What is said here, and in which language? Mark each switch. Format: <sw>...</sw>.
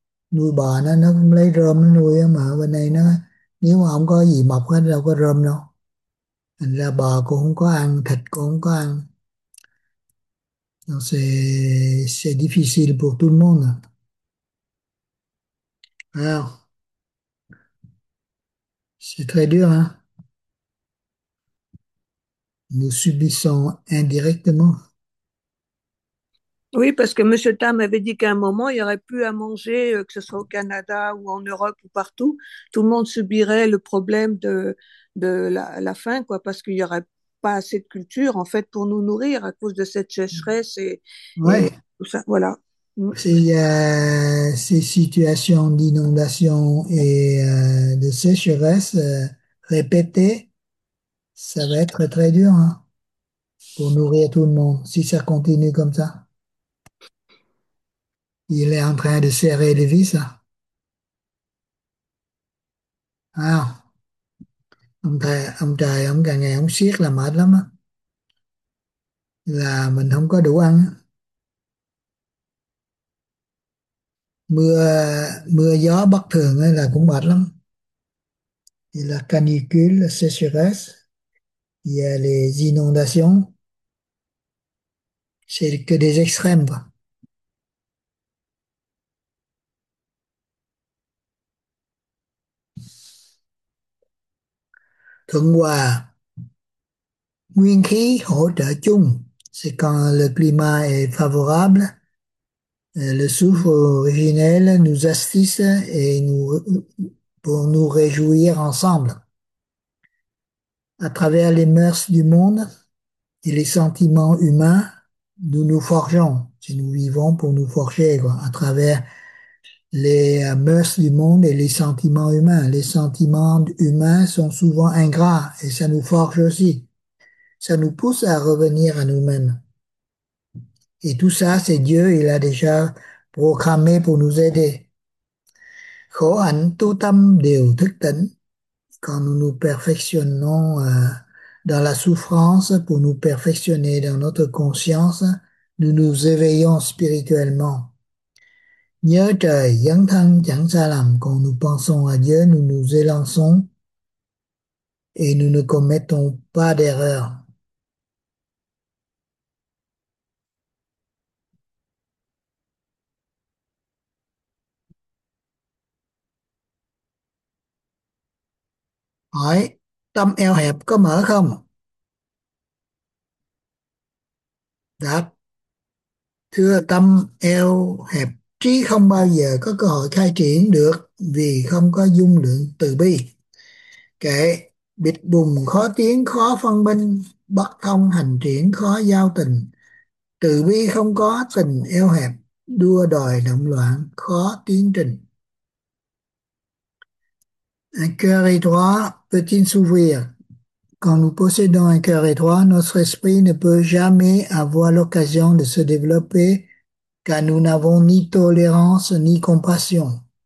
<vi>Nuôi bò nó cũng lấy rơm nó nuôi, mà bên đây nó nếu mà không có gì mọc hết đâu có rơm đâu, thành ra bò cũng không có ăn, thịt cũng không có ăn,</vi> <fr>c'est difficile pour tout le monde, c'est très dur, hein. Nous subissons indirectement. Oui, parce que M. Tam avait dit qu'à un moment, il n'y aurait plus à manger, que ce soit au Canada ou en Europe ou partout. Tout le monde subirait le problème de la faim, quoi, parce qu'il n'y aurait pas assez de culture, en fait, pour nous nourrir à cause de cette sécheresse et tout ça. Voilà. Ces situations d'inondation et de sécheresse répétées. Ça va être très dur, hein, pour nourrir tout le monde si ça continue comme ça. Il est en train de serrer les vis.</fr> <vi>Ah, ông trời, ông càng ngày ông siết là mệt lắm á. Là mình không có đủ ăn. Mưa gió bất thường ấy là cũng mệt lắm. Thì là</vi> <fr>canicule, sécheresse. Il y a les inondations, c'est que des extrêmes.</fr> <vi>Thuận hòa, nguyên khí hỗ trợ chung,</vi> <fr>c'est quand le climat est favorable, le souffle originel nous assiste et nous pour nous réjouir ensemble. À travers les mœurs du monde et les sentiments humains, nous nous forgeons. Si nous vivons pour nous forger, quoi. À travers les mœurs du monde et les sentiments humains. Les sentiments humains sont souvent ingrats et ça nous forge aussi. ça nous pousse à revenir à nous-mêmes. Et tout ça, c'est Dieu, il a déjà programmé pour nous aider.</fr> <vi>Khổ hạnh tu tâm đều thức tỉnh.</vi> <fr>Quand nous nous perfectionnons dans la souffrance, pour nous perfectionner dans notre conscience, nous nous éveillons spirituellement.</fr> <vi>Nhớ trời, dấn thân chẳng xa lầm.</vi> <fr>Quand nous pensons à Dieu, nous nous élançons et nous ne commettons pas d'erreur.</fr> <vi>Hỏi, tâm eo hẹp có mở không? Đáp, thưa tâm eo hẹp, trí không bao giờ có cơ hội khai triển được vì không có dung lượng từ bi. Kệ, bịt bùng khó tiến, khó phân minh, bất thông hành triển, khó giao tình. Từ bi không có, tình eo hẹp, đua đòi động loạn, khó tiến trình.</vi> <fr>Un cœur étroit peut-il s'ouvrir? Quand nous possédons un cœur étroit, notre esprit ne peut jamais avoir l'occasion de se développer, car nous n'avons ni tolérance ni compassion.</fr>